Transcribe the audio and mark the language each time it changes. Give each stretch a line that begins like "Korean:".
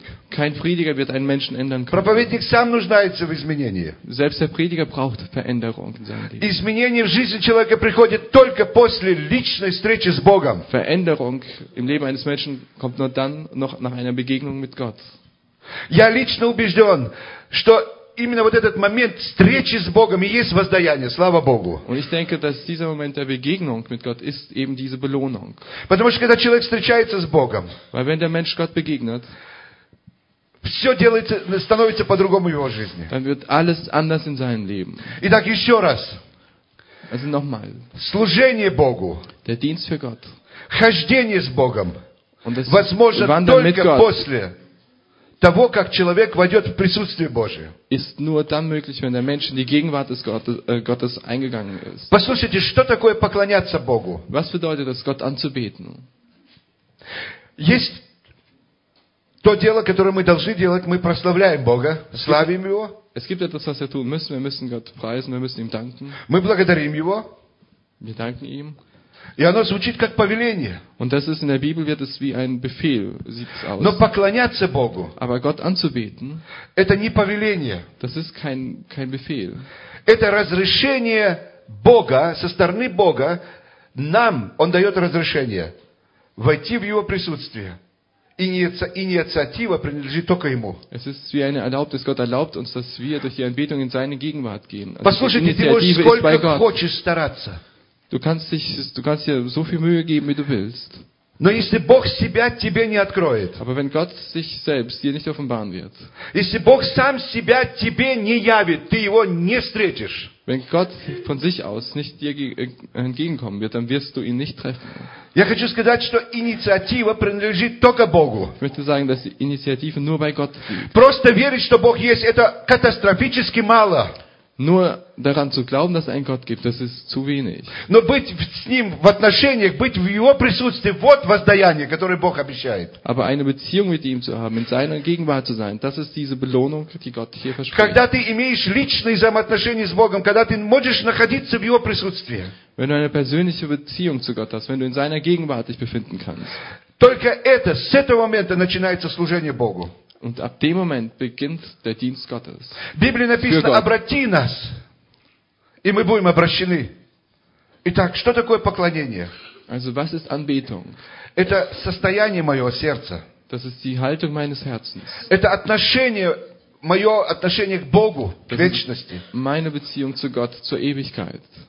German: Kein Prediger wird einen Menschen ändern können. Selbst der Prediger braucht Veränderung in seinem Leben. Veränderung im Leben eines Menschen kommt nur dann noch nach einer Begegnung mit Gott.
Russian: Я лично убежден, что именно вот этот момент встречи с Богом и есть воздаяние, слава Богу.
German: Und ich denke, dass dieser Moment der Begegnung mit Gott ist eben diese Belohnung.
Russian: Потому что когда человек встречается с Богом,
German: weil wenn der Mensch Gott begegnet,
Russian: все делается, становится по-другому в его жизни.
German: Dann wird alles anders in seinem Leben.
Russian: Итак, еще раз.
German: Also nochmal.
Russian: Служение Богу.
German: Der Dienst für Gott.
Russian: Хождение с Богом.
German: Und das
Russian: возможно
German: Wandern mit Gott.
Russian: После того, как человек войдет в присутствие Божие.
German: Ist nur dann möglich, wenn der Mensch in die Gegenwart des Gottes eingegangen ist.
Russian: Послушайте, что такое поклоняться Богу?
German: Was bedeutet es, Gott anzubeten?
Russian: Есть то дело, которое мы должны делать, мы прославляем Бога, славим Его.
German: Es gibt etwas, was wir tun müssen. Wir müssen Gott preisen, wir müssen ihm danken.
Russian: Мы благодарим Его.
German: Wir danken ihm.
Russian: И оно звучит как повеление.
German: Und das ist in der Bibel wird es wie ein Befehl sieht es aus.
Russian: Но поклоняться Богу.
German: Aber Gott anzubeten.
Russian: Это не повеление.
German: Das ist kein Befehl.
Russian: Это разрешение Бога со стороны Бога нам. Он дает разрешение войти в Его присутствие. Инициатива принадлежит только Ему.
German: Es ist wie eine Erlaubnis. Gott erlaubt uns, dass wir durch die Anbetung in seine Gegenwart gehen.
Russian: Also послушайте, ты можешь сколько хочешь стараться.
German: Du kannst dir so viel Mühe geben, wie du willst.
Russian: Но если Бог себя тебе не откроет,
German: aber wenn Gott sich selbst dir nicht offenbaren wird,
Russian: если Бог сам себя тебе не явит, ты его не встретишь.
German: Wenn Gott von sich aus nicht dir entgegenkommen wird, dann wirst du ihn nicht treffen.
Russian: Я хочу сказать, что инициатива принадлежит только Богу.
German: Ich möchte sagen, dass die Initiative nur bei Gott liegt.
Russian: Просто верить, что Бог есть, это катастрофически мало.
German: Nur daran zu glauben, dass es einen Gott gibt, das ist zu wenig.
Russian: Но быть с ним в отношениях, быть в его присутствии, вот воздаяние, которое Бог обещает.
German: Aber eine Beziehung mit ihm zu haben, in seiner Gegenwart zu sein, das ist diese Belohnung, die Gott hier verspricht.
Russian: Когда ты имеешь личные взаимоотношения с Богом, когда ты можешь находиться в его присутствии.
German: Wenn du eine persönliche Beziehung zu Gott hast, wenn du in seiner Gegenwart dich befinden kannst.
Russian: Только это, с этого момента начинается служение Богу.
German: Und ab dem Moment beginnt der Dienst Gottes.
Russian: Библия написано: обрати нас, и мы будем обращены. Итак, что такое поклонение?
German: Also, was ist Anbetung?
Russian: Это состояние моего сердца.
German: Das ist die Haltung meines Herzens.
Russian: Это отношение, мое отношение к Богу, к вечности.
German: Meine Beziehung zu Gott, zur Ewigkeit.